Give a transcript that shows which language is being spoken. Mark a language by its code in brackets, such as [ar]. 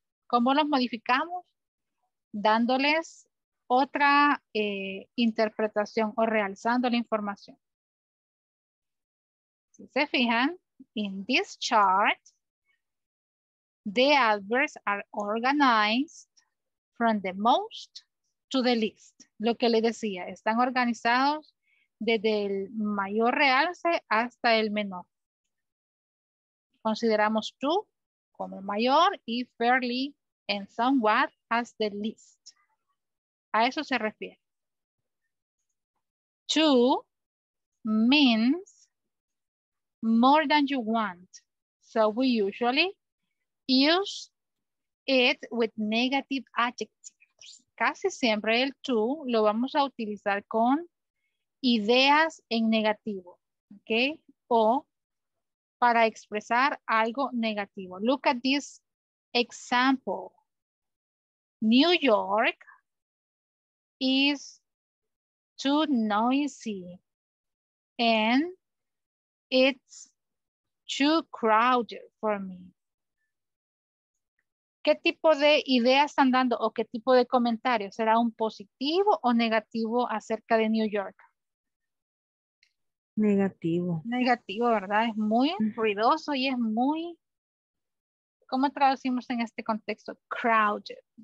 [es] ¿Cómo los modificamos? Dándoles otra interpretación o realzando la información. Si se fijan, [en] in this chart, the adverbs are organized from the most to the least. [es] Lo que les decía, están organizados desde el mayor realce hasta el menor. Consideramos too como mayor y [en] fairly and somewhat as the least. [es] A eso se refiere. [en] Too means more than you want. So we usually use it with negative adjectives. [es] Casi siempre el to lo vamos a utilizar con ideas en negativo. Okay? O para expresar algo negativo. [en] Look at this example. New York is too noisy and it's too crowded for me. [es] ¿Qué tipo de idea están dando o qué tipo de comentario? ¿Será un positivo o negativo acerca de New York? Negativo. Negativo, ¿verdad? Es muy ruidoso y es muy... ¿Cómo traducimos en este contexto? Crowded.